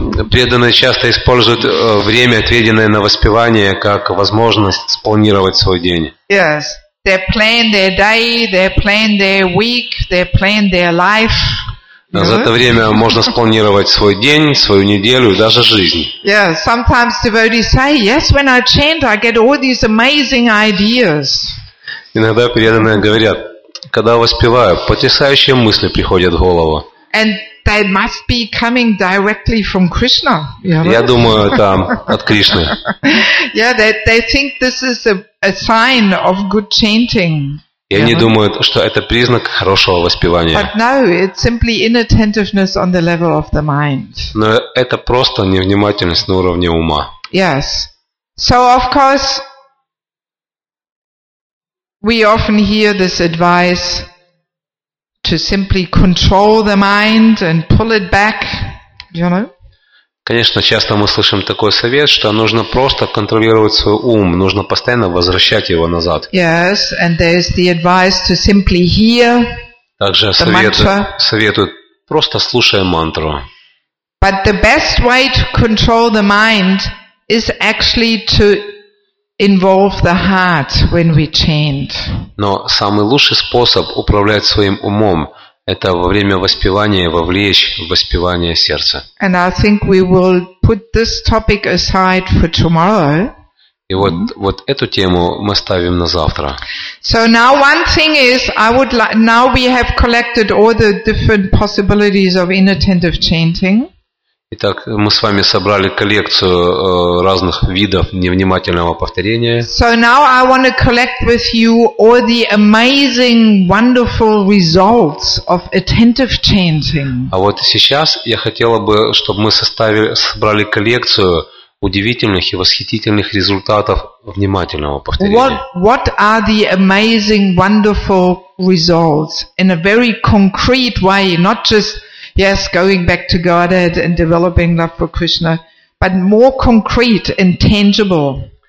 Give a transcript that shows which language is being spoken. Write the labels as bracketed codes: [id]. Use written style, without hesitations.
[ru] Преданные часто используют время, отведенное на воспевание, как возможность спланировать свой день. [en] Yes, they plan their day, they plan their week, they plan their life. [ru] За это время можно спланировать свой день, свою неделю и даже жизнь. [en] Yeah, sometimes devotees say, yes, when I chant, I get all these amazing ideas. [ru] Иногда преданные говорят, когда воспеваю, потрясающие мысли приходят в голову. [en] And they must be coming directly from Krishna. [ru] Я думаю, это от Кришны. [en] Yeah, they think this is a sign of good chanting. [ru] И они думают, что это признак хорошего воспевания. Но это просто невнимательность на уровне ума. [en] Yes. So of course we often hear this advice to simply control the mind and pull it back, you know? [ru] Конечно, часто мы слышим такой совет, что нужно просто контролировать свой ум, нужно постоянно возвращать его назад. [en] Yes, and there's the advice to simply hear. [ru] Также советуют просто слушая мантру. [en] But the best way to control the mind is actually to involve the heart when we chant. [ru] Но самый лучший способ управлять своим умом — это во время воспевания вовлечь в воспевание сердца. [en] And I think we will put this topic aside for tomorrow. [ru] И вот, вот эту тему мы ставим на завтра. [en] So now one thing is, I would like, now we have collected all the different possibilities of inattentive chanting. [ru] Итак, мы с вами собрали коллекцию разных видов невнимательного повторения. [en] So now I want to collect with you all the amazing, wonderful results of attentive chanting. [ru] А вот сейчас я хотела бы, чтобы мы собрали коллекцию удивительных и восхитительных результатов внимательного повторения. [en] What are the amazing, wonderful results in a very concrete way, not just yes, going back to Godhead and developing love for Krishna, but more concrete and tangible.